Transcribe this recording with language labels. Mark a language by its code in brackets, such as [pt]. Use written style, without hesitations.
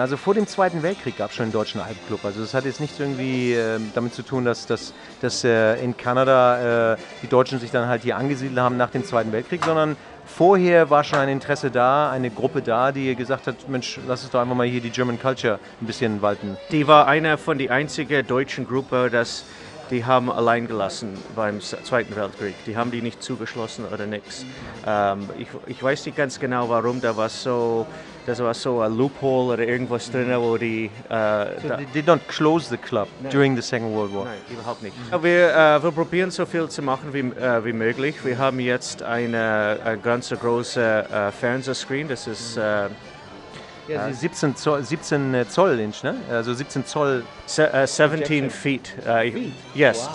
[de] Also vor dem Zweiten Weltkrieg gab es schon einen deutschen Alpenclub. Also das hat jetzt nicht irgendwie damit zu tun, dass in Kanada die Deutschen sich dann halt hier angesiedelt haben nach dem Zweiten Weltkrieg, sondern vorher war schon ein Interesse da, eine Gruppe da, die gesagt hat, Mensch, lass es doch einfach mal hier die [en] German Culture [de] ein bisschen walten. Die war eine von den einzigen deutschen Gruppen, die haben allein gelassen beim Zweiten Weltkrieg. Die haben die nicht zugeschlossen oder nichts. Ich weiß nicht ganz genau, warum. Da war so dass war so ein Loophole oder irgendwas drin, wo die... [en] They don't close the club during the Second World War? [de] Nein, überhaupt nicht. Mhm. Wir, wir probieren so viel zu machen wie möglich. Wir haben jetzt eine ganz große Fernsehscreen, das ist... Mhm. 17 Zoll. [en] 17 feet. Yes, wow.